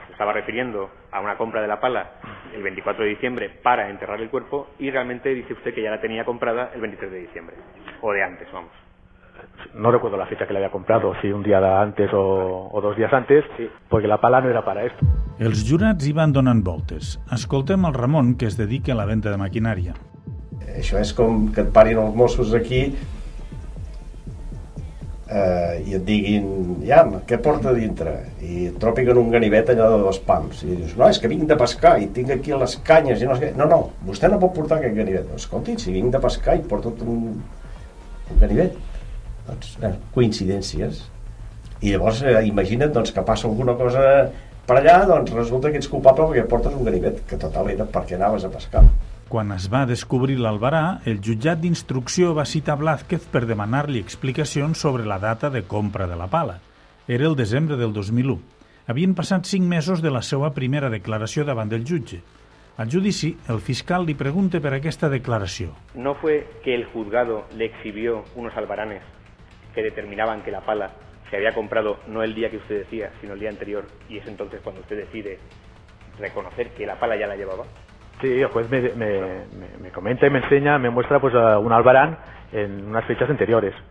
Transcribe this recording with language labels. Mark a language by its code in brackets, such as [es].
[es] Se estaba refiriendo a una compra de la pala el 24 de diciembre para enterrar el cuerpo y realmente dice usted que ya la tenía comprada el 23 de diciembre, o de antes, vamos. No recuerdo la fecha que la había comprado, si un día antes o, o dos días antes, porque la pala no era para esto. [ca] Els jurats hi van donant voltes. Escoltem el Ramon, que es dedica a la venda de maquinària. Això és com que et parin els Mossos aquí i et diguin, ja, què porta dintre? I et tropiquen un ganivet allà de dos pams. I dius, no, és que vinc de pescar i tinc aquí les canyes. I no, no, no, vostè no pot portar aquest ganivet. Escolti, si vinc de pescar i porto un ganivet. Doncs, coincidències. I llavors, imagina't doncs, que passa alguna cosa per allà, doncs resulta que ets culpable perquè portes un ganivet, que total era perquè anaves a pescar. Quan es va descobrir l'albarà, el jutjat d'instrucció va citar Blázquez per demanar-li explicacions sobre la data de compra de la pala. Era el desembre del 2001. Havien passat 5 mesos de la seva primera declaració davant del jutge. Al judici, el fiscal li pregunta per aquesta declaració. [es] No fue que el juzgado le exhibió unos albaranes que determinaban que la pala se había comprado no el día que usted decía, sino el día anterior, y es entonces cuando usted decide reconocer que la pala ya la llevaba. Sí, el juez me comenta y me enseña, me muestra pues un albarán en unas fechas anteriores.